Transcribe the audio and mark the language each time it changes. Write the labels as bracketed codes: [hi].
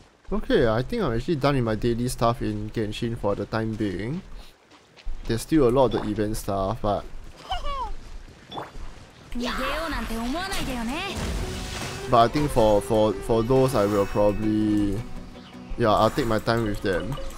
[en] Okay, I think I'm actually done with my daily stuff in Genshin for the time being. There's still a lot of the event stuff, but. [ja] 逃げようなんて思わないでよね。 [en] But I think for those I will probably, yeah, I'll take my time with them.